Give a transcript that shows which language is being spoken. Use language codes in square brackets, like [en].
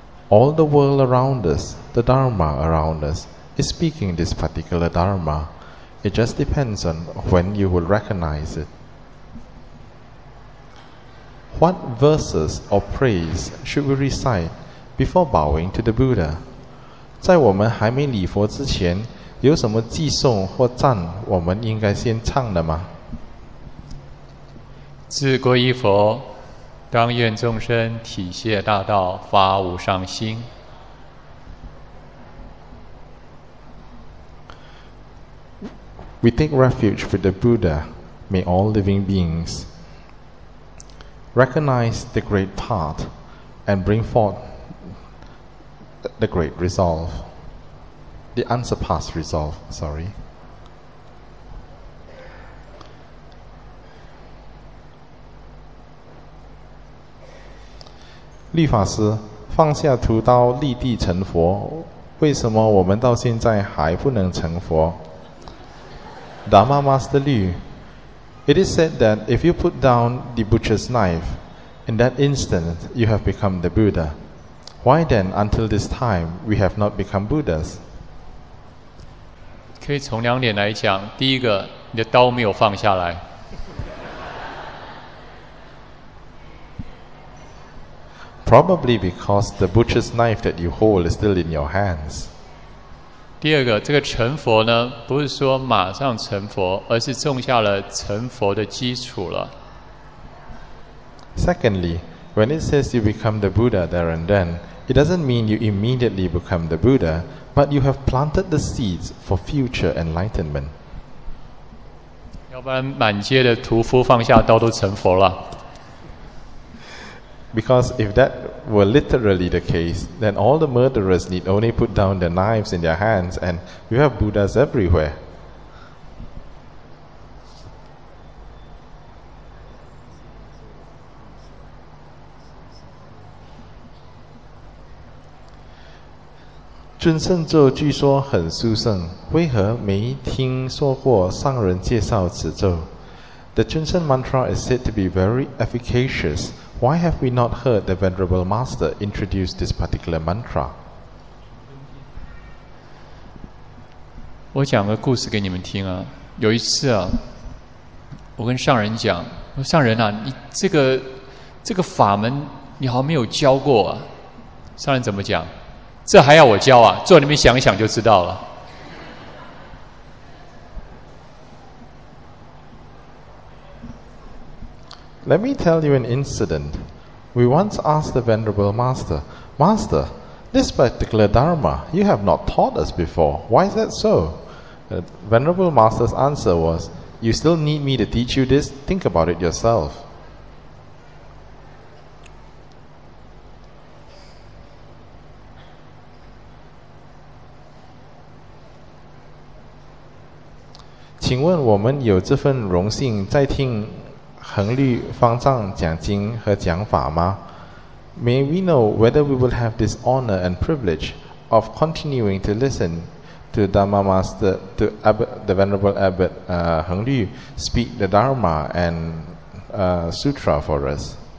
[en] All the world around us, the Dharma around us, is speaking this particular Dharma. It just depends on when you will recognize it. What verses or praise should we recite before bowing to the Buddha? [zh] 在我们还没礼佛之前，有什么偈颂或赞我们应该先唱的吗？自皈依佛，当愿众生体谢大道，发无上心。 [en] We take refuge with the Buddha. May all living beings recognize the great path and bring forth the great resolve, the unsurpassed resolve, sorry. [zh] Li 法师，放下屠刀，立地成佛。为什么我们到现在还不能成佛？ [en] Dharma Master Liu, it is said that if you put down the butcher's knife, in that instant you have become the Buddha. Why then, until this time, we have not become Buddhas? [zh] 可以从两点来讲，第一个，你的刀没有放下来。 [en] Probably because the butcher's knife that you hold is still in your hands. [zh] 第二个，这个成佛呢，不是说马上成佛，而是种下了成佛的基础了。 [en] Secondly, when it says you become the Buddha there and then, it doesn't mean you immediately become the Buddha, but you have planted the seeds for future enlightenment. [zh] 要不然满街的屠夫放下刀都成佛了。 [en] Because if that were literally the case, then all the murderers need only put down their knives in their hands, and you have Buddhas everywhere. [zh] Jun Sheng Zhou 据说很殊胜，为何没听说过上人介绍此咒？ [en] The Jun Sheng Mantra is said to be very efficacious. Why have we not heard the Venerable Master introduce this particular mantra? [zh] 我讲个故事给你们听啊。有一次啊，我跟上人讲，我说上人啊，你这个法门你好像没有教过啊。上人怎么讲？这还要我教啊？坐那边想一想就知道了。 [en] Let me tell you an incident. We once asked the Venerable Master, Master, this particular Dharma, you have not taught us before. Why is that so? The Venerable Master's answer was, You still need me to teach you this? Think about it yourself. [zh] 请问我们有这份荣幸在听恒律方丈讲经和讲法吗？ [en] May we know whether we will have this honor and privilege of continuing to listen to Dharma Master, to Abbot, the Venerable Abbot, Heng Lü speak the Dharma and Sutra for us?